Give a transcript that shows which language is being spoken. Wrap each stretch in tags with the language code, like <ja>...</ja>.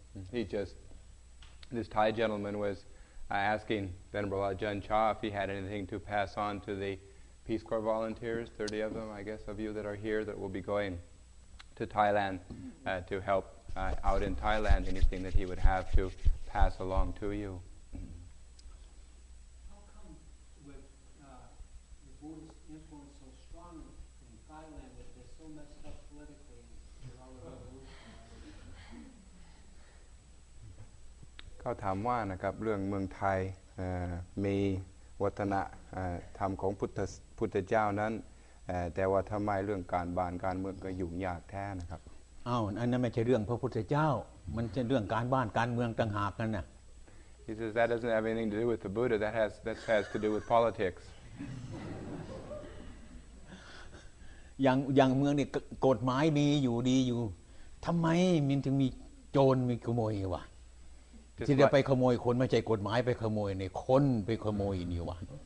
<en>He just, this Thai gentleman was asking Venerable Ajahn Chah if he had anything to pass on to the Peace Corps volunteers, 30 of them, I guess, of you that are here that will be going to Thailand to help out in Thailand, anything that he would have to pass along to you. How come with the Buddhist influence so strong in Thailand that they're so messed up politically?</en> <th>เขาถามว่านะครับเรื่องเมืองไทยมีวัฒนธรรมของพุทธเจ้านั้นแต่ว่าทำไมเรื่องการบ้านการเมืองก็ยุ่งยากแท้นะครับ อ้าวอันนั้นไม่ใช่เรื่องพระพุทธเจ้ามันเรื่องการบ้านการเมืองต่างหากนั่นน่ะ</th> <en>He says that doesn't have anything to do with the Buddha that has to do with politics</en> <th>อย่างเมืองนี่กฎหมายมีอยู่ดีอยู่ทำไมมันถึงมีโจรมีขโมยวะที่จะไปขโมยคนไม่ใช่กฎหมายไปขโมยนี่คนไปขโมยนี่วะ</th>